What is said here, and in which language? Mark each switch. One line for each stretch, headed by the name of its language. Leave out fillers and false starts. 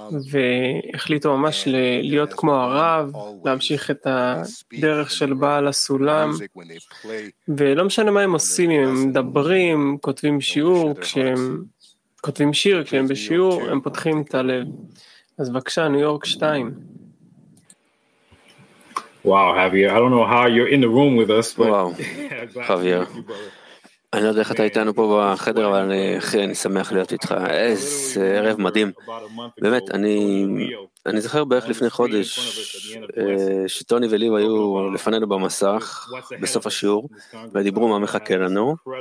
Hebrew: והחליטו ממש להיות כמו הרב, להמשיך את הדרך של בעל הסולם, ולא משנה מה הם עושים, אם הם מדברים, כותבים שיעור, כשהם כותבים שיר, כשהם בשיעור, הם פותחים את הלב. אז בבקשה, ניו יורק 2. וואו, חביר,
English: I don't know how you're in the room with us, but...
Hebrew: וואו, חביר. אני לא יודע איך אתה איתנו פה בחדר, אבל אני שמח להיות איתך. איזה ערב מדהים. באמת, אני זוכר בערך לפני חודש שטוני וליב היו לפנינו במסך, בסוף השיעור, ודיברו מה מחכה לנו.